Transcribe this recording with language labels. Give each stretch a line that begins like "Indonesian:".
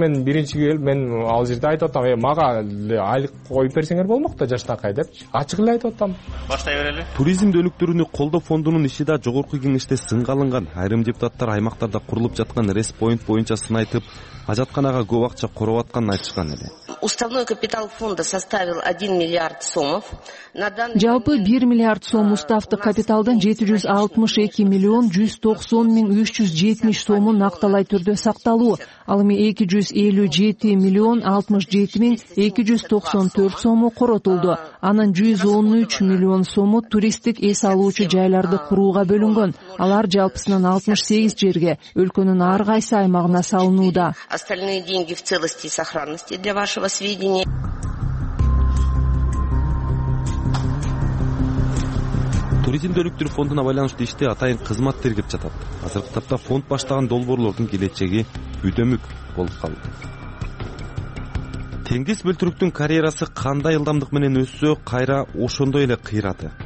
Kyrgyz: Мен биринчи келип, мен ал жерде айтып атам, мага айлык коюп берсеңер болмок да жаштакай депчи. Ачык эле айтып атам. Баштай берели. Туризмди өнүктүрүүнү колдоо фондунун иши да жогорку кеңеште сынга алынган. Айрым депутаттар аймактарда курулуп жаткан респойнт боюнча сын айтып, ажатканага көп акча короп атканын айтышкан эле.
Russian: Уставной капитал фонда составил 1 миллиард сомов.
Kyrgyz: Жалпы 1 миллиард сом уставтык капиталдын 762 миллион 190 миң 370 сому накталай түрдө сакталуу. Ал эми 257 миллион 67 миң 294 сому коротулду. Анын 113 миллион сому туристтик эс алуучу жайларды курууга бөлүнгөн. Алар жалпысынан 68 жерге өлкөнүн ар кайсы аймагына салынууда.
Russian: Остальные деньги в целости и сохранности для вашего сведения.
Kyrgyz: Туризмди өнүктүрүү фондуна байланыштуу иште атайын кызмат тергеп жатат. Азыркы тапта фонд баштаган долбоорлордун келечеги бүдөмүк болуп калды. Теңиз бөлтүрүктүн карьерасы кандай ылдамдык менен өссө, кайра ошондой эле кыйрады.